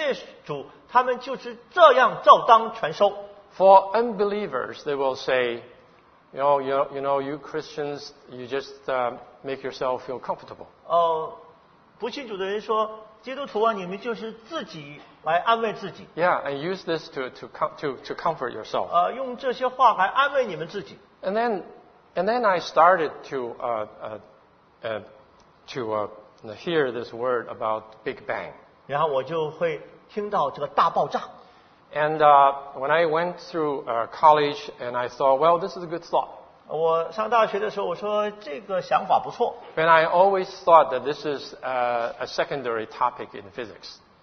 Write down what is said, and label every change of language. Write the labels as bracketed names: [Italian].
[Chinese] 对于基督徒来讲，我们感谢主，他们就是这样照当全收。 [English] For unbelievers, they will say, you know, you Christians, you just make yourself feel comfortable. [Chinese] 不信主的人说。基督徒啊，你们就是自己来安慰自己。 [English] Yeah, and use this to comfort yourself. [Chinese] 用这些话来安慰你们自己。 [English] And then I started to hear this word about Big Bang. [Chinese] 然后我就会听到这个大爆炸。 [English] And when I went through college, and I thought, well, this is a good thought. [Chinese] 我上大学的时候，我说这个想法不错。 [English] And I always thought that this is a secondary topic in physics.